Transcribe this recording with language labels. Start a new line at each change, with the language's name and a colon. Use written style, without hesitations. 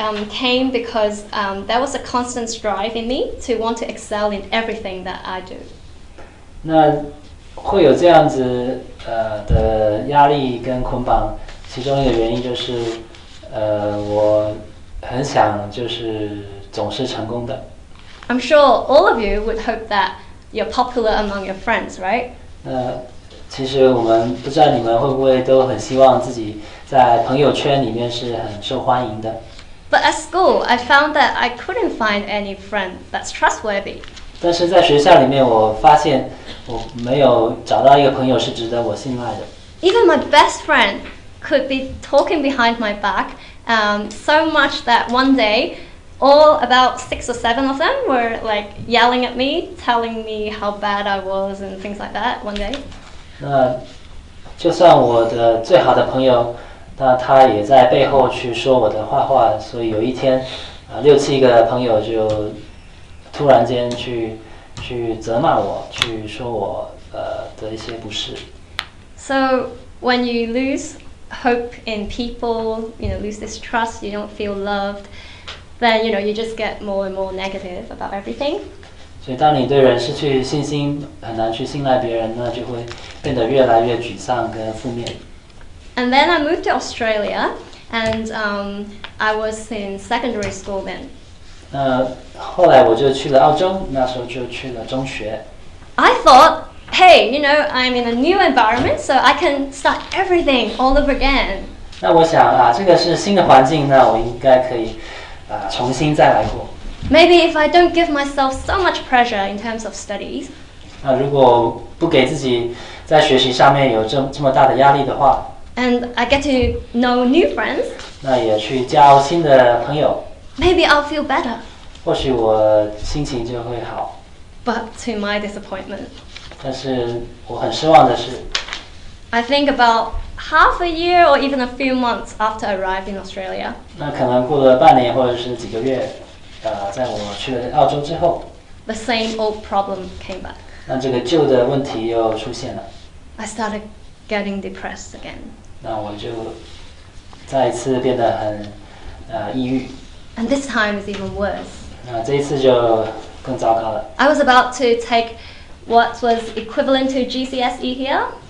English: Came because there was a constant drive in me to want to excel in everything that I do.
Chinese: 那会有这样子的压力跟捆绑，其中一个原因就是我很想就是总是成功的。
English: I'm sure all of you would hope that you're popular among your friends, right?
Chinese: 那其实我们不知道你们会不会都很希望自己在朋友圈里面是很受欢迎的。
English: But at school, I found that I couldn't find any friend that's trustworthy.
Chinese: 但是在学校里面，我发现我没有找到一个朋友是值得我信赖的。
English: Even my best friend could be talking behind my back, so much that one day, all about six or seven of them were like yelling at me, telling me how bad I was and things like that. One day.
Chinese: 那就算我的最好的朋友。那他也在背后去说我的坏话，所以有一天，六七个朋友就突然间去责骂我，去说我的一些不是。
English: So when you lose hope in people, you know, lose this trust, you don't feel loved, then you know you just get more and more negative about everything.
Chinese: 所以当你对人失去信心，很难去信赖别人，那就会变得越来越沮丧跟负面。
English: And then I moved to Australia, and I was in secondary school then.
Chinese: 那后来我就去了澳洲，那时候就去了中学。
English: I thought, hey, you know, I'm in a new environment, so I can start everything all over again.
Chinese: 那我想啊，这个是新的环境，那我应该可以啊重新再来过。
English: Maybe if I don't give myself so much pressure in terms of studies.
Chinese: 那如果不给自己在学习上面有这么大的压力的话。
English: And I get to know new friends.
Chinese: 那也去交新的朋友。
English: Maybe I'll feel better.
Chinese: 或许我心情就会好。
English: But to my disappointment.
Chinese: 但是我很失望的是。
English: I think about half a year or even a few months after I arrived in Australia.
Chinese: 那可能过了半年或者是几个月。在我去了澳洲之后
English: ，The same old problem came back.
Chinese: 那这个旧的问题又出现了。
English: I started getting depressed again.
Chinese: 那我就再一次变得很抑郁。
English: And this time is even worse.
Chinese: 那这一次就更糟糕了。
English: I was about to take what was equivalent to GCSE here.